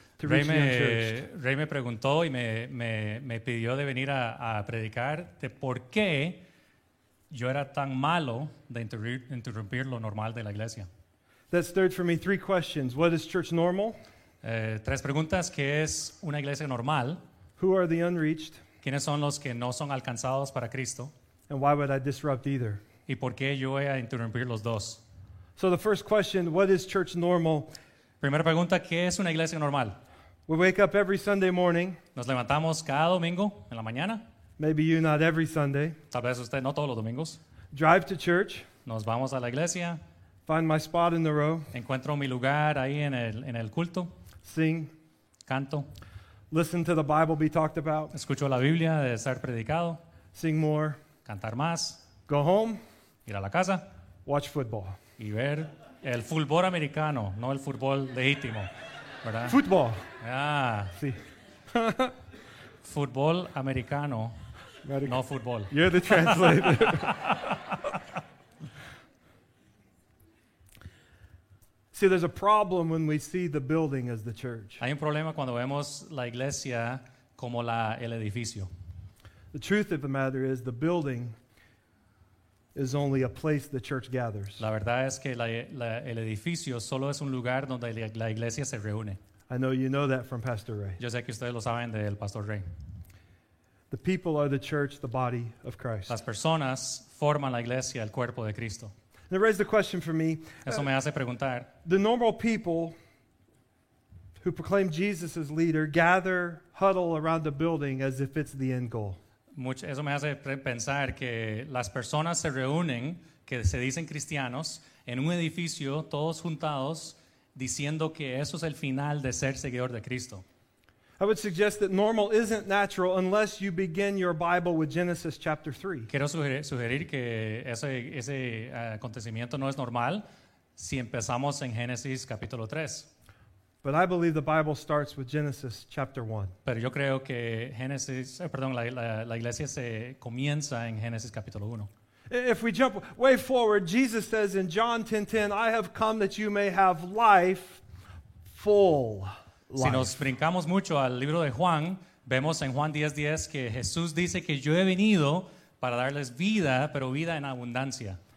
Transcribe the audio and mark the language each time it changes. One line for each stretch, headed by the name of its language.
Spanish: Ray me preguntó y me pidió de venir a predicar de por qué yo era tan malo de interrumpir lo normal de la iglesia.
English: That stirred for me three questions. What is church normal?
Spanish: Tres preguntas. ¿Qué es una iglesia normal?
English: Who are the unreached?
Spanish: ¿Quiénes son los que no son alcanzados para Cristo?
English: And why would I disrupt either?
Spanish: ¿Y por qué yo voy a interrumpir los dos?
English: So the first question, what is church normal?
Spanish: Primera pregunta, ¿qué es una iglesia normal?
English: We wake up every Sunday morning.
Spanish: Nos levantamos cada domingo en la mañana.
English: Maybe you not every Sunday.
Spanish: Tal vez usted no todos los domingos.
English: Drive to church.
Spanish: Nos vamos a la iglesia.
English: Find my spot in the row.
Spanish: Encuentro mi lugar ahí en el culto.
English: Sing.
Spanish: Canto.
English: Listen to the Bible be talked about.
Spanish: Escucho la Biblia de ser predicado.
English: Sing more.
Spanish: Cantar más.
English: Go home.
Spanish: Ir a la casa.
English: Watch football.
Spanish: Y ver el fútbol americano, no el fútbol legítimo, ¿verdad? Fútbol. Ah. Sí. Fútbol americano, no fútbol.
English: You're the translator. See, there's a problem when we see the building as the church.
Spanish: Hay un problema cuando vemos la iglesia como el edificio.
English: The truth of the matter is the building is only a place the church gathers.
Spanish: La verdad es que el edificio solo es un lugar donde la iglesia se reúne.
English: I know you know that from Pastor Ray.
Spanish: Yo sé que ustedes lo saben del Pastor Ray.
English: The people are the church, the body of Christ.
Spanish: Las personas forman la iglesia, el cuerpo de Cristo.
English: And it raised the question for me.
Spanish: Eso me hace preguntar.
English: The normal people who proclaim Jesus as leader gather, huddle around the building as if it's the end goal.
Spanish: Eso me hace pensar que las personas se reúnen, que se dicen cristianos, en un edificio, todos juntados, diciendo que eso es el final de ser seguidor de Cristo.
English: I would suggest that normal isn't natural unless you begin your Bible with Genesis chapter 3.
Spanish: Quiero sugerir que ese acontecimiento no es normal si empezamos en Génesis capítulo 3.
English: But I believe the Bible starts with Genesis chapter 1.
Spanish: Pero yo creo que la iglesia se comienza en Génesis capítulo 1.
English: If we jump way forward, Jesus says in John 10:10, I have come that you may have life, full life.
Spanish: Si nos brincamos mucho al libro de Juan, vemos en Juan 10:10 que Jesús dice que yo he venido para darles vida, pero vida en abundancia.